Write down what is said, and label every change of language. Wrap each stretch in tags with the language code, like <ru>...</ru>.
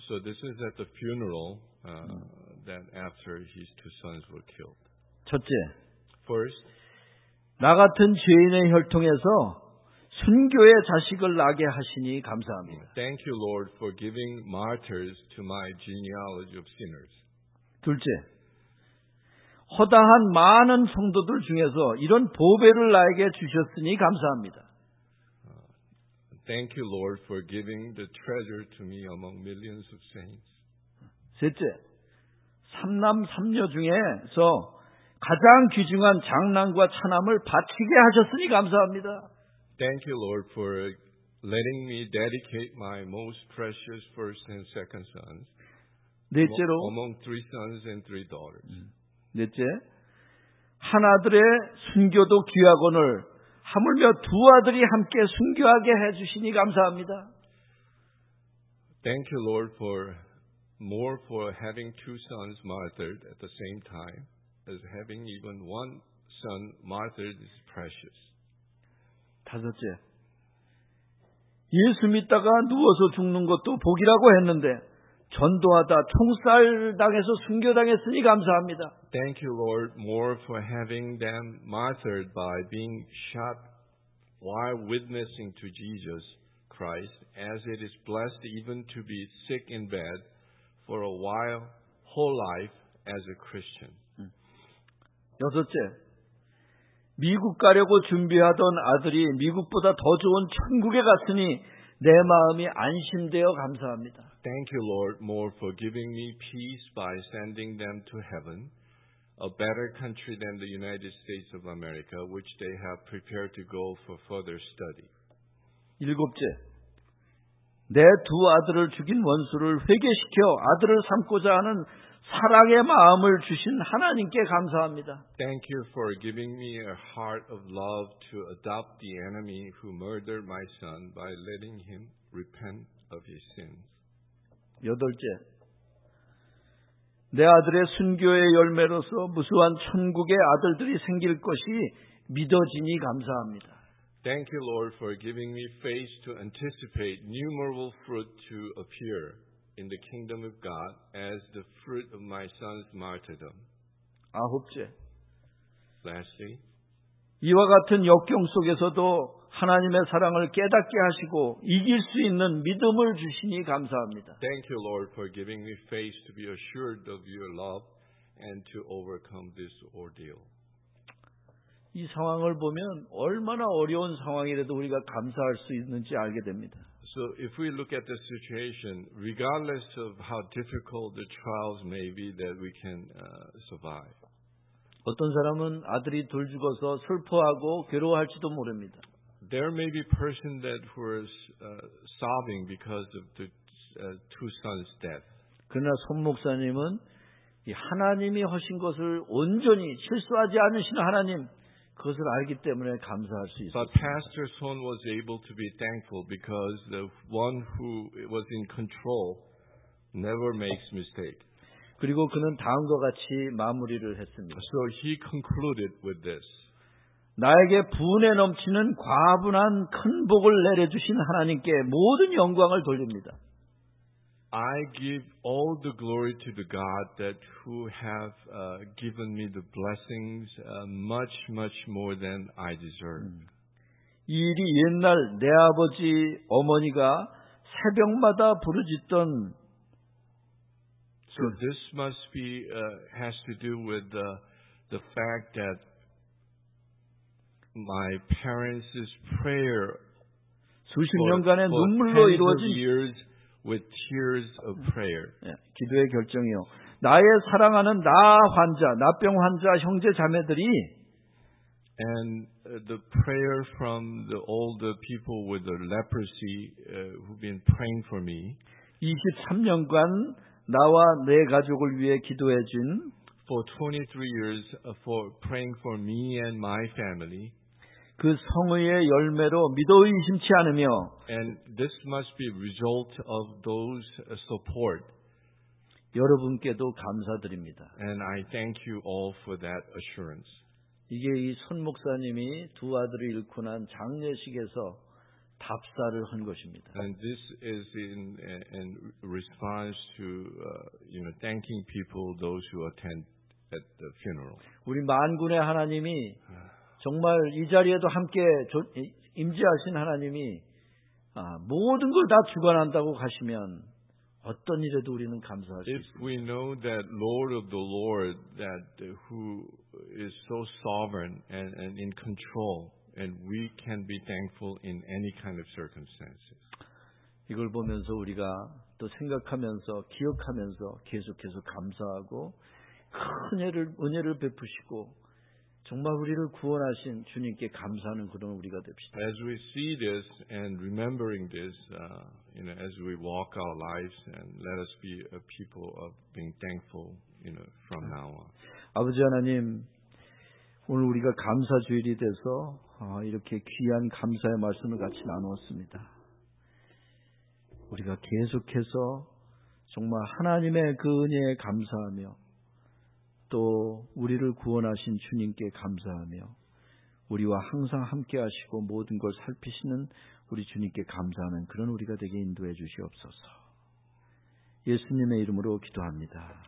<en>So this is at the funeral that after his two sons were killed.</en> <ko>첫째.</ko> <en>First.</en> <ko>나 같은 죄인의 혈통에서 순교의 자식을 낳게 하시니 감사합니다.</ko> <en>Thank you, Lord, for giving martyrs to my genealogy of sinners.</en> <ko>둘째, 허다한 많은 성도들 중에서 이런 보배를 나에게 주셨으니 감사합니다.</ko> <en>Thank you, Lord, for giving the treasure to me among millions of saints.</en> <ko>셋째, 삼남 삼녀 중에서 가장 귀중한 장남과 차남을 바치게 하셨으니 감사합니다.</ko> <en>Thank you, Lord, for letting me dedicate my most precious first and second sons.</en> <ko>넷째로,</ko> <en>among three sons and three daughters.</en> <ko>넷째, 한 아들의 순교도 귀하거늘 하물며 두 아들이 함께 순교하게 해주시니 감사합니다.</ko> <en>Thank you, Lord, for more for having two sons martyred at the same time as having even one son martyred is precious.</en> <ko>다섯째, 예수 믿다가 누워서 죽는 것도 복이라고 했는데 전도하다 총살당해서 순교당했으니 감사합니다.</ko> <en>Thank you, Lord, more for having them martyred by being shot while witnessing to Jesus Christ, as it is blessed even to be sick in bed for a while, whole life as a Christian.</en> <ko>여섯째. 미국 가려고 준비하던 아들이 미국보다 더 좋은 천국에 갔으니 내 마음이 안심되어 감사합니다.</ko> <en>Thank you, Lord, more for giving me peace by sending them to heaven, a better country than the United States of America, which they have prepared to go for further study.</en> <ko>일곱째, 내 두 아들을 죽인 원수를 회개시켜 아들을 삼고자 하는 사랑의 마음을 주신 하나님께 감사합니다.</ko> <en>Thank you for giving me a heart of love to adopt the enemy who murdered my son by letting him repent of his sins.</en> <ko>여덟째, 내 아들의 순교의 열매로서 무수한 천국의 아들들이 생길 것이 믿어지니 감사합니다.</ko> <en>Thank you, Lord, for giving me faith to anticipate numerous fruit to appear in the kingdom of God as the fruit of my son's martyrdom.</en> <ko>아홉째,</ko> <en>Lastly,</en> <ko>이와 같은 역경 속에서도 하나님의 사랑을 깨닫게 하시고 이길 수 있는 믿음을 주시니 감사합니다.</ko> <en>Thank you, Lord, for giving me faith to be assured of your love and to overcome this ordeal.</en> <ko>이 상황을 보면 얼마나 어려운 상황이라도 우리가 감사할 수 있는지 알게 됩니다.</ko> <en>So if we look at the situation, regardless of how difficult the trials may be, that we can survive.</en> <ko>어떤 사람은 아들이 둘 죽어서 슬퍼하고 괴로워할지도 모릅니다.</ko> <en>There may be person that was sobbing because of the two sons' death.</en> <ko>그러나 손 목사님은 이 하나님이 하신 것을 온전히 실수하지 않으시는 하나님 그것을 알기 때문에 감사할 수 있습니다.</ko> <en>But Pastor Son was able to be thankful because the one who was in control never makes mistake.</en> <ko>그리고 그는 다음과 같이 마무리를 했습니다.</ko> <en>So he concluded with this.</en> <ko>나에게 부은에 넘치는 과분한 큰 복을 내려주신 하나님께 모든 영광을 돌립니다.</ko> <en>I give all the glory to the God that who have given me the blessings much much more than I deserve.</en> <ko>이 일이 옛날 내 아버지 어머니가 새벽마다 부르짖던</ko> <en>So this must be has to do with the fact that my parents' prayer</en> <ko>수십 년간의 눈물로 이루어진</ko> <en>years with tears of prayer.</en> <ko>기도의 결정이요. 나의 사랑하는 나 환자, 나병 환자 형제 자매들이</ko> <en>and the prayer from the older people with the leprosy who've been praying for me</en> <ko>23년간 나와 내 가족을 위해 기도해 준</ko> <en>for 23 years for praying for me and my family</en> <ko>그 성의의 열매로 믿어 의심치 않으며</ko> <en>and this must be result of those support</en> <ko>여러분께도 감사드립니다.</ko> <en>and I thank you all for that assurance.</en> <ko>이게 이 손 목사님이 두 아들을 잃고 난 장례식에서 답사를 한 것입니다.</ko> <en>And this is in response to you know thanking people those who attend at the funeral.</en> <ko>우리 만군의 하나님이 정말 이 자리에도 함께 임재하신 하나님이 모든 걸 다 주관한다고 하시면 어떤 일에도 우리는 감사할 수 있습니다.</ko> <en>If we know that Lord of the Lord that who is so sovereign and in control and we can be thankful in any kind of circumstances.</en> <ko>이걸 보면서 우리가 또 생각하면서 기억하면서 계속해서 감사하고 큰 은혜를 베푸시고 정말 우리를 구원하신 주님께 감사하는 그런 우리가 됩시다.</ko> <en>As we see this and remembering this, you know, as we walk our lives and let us be a people of being thankful, you know, from now on.</en> <ko>아버지 하나님, 오늘 우리가 감사 주일이 돼서 이렇게 귀한 감사의 말씀을 같이 나누었습니다. 우리가 계속해서 정말 하나님의 그 은혜에 감사하며 또 우리를 구원하신 주님께 감사하며 우리와 항상 함께 하시고 모든 걸 살피시는 우리 주님께 감사하는 그런 우리가 되게 인도해 주시옵소서. 예수님의 이름으로 기도합니다.</ko>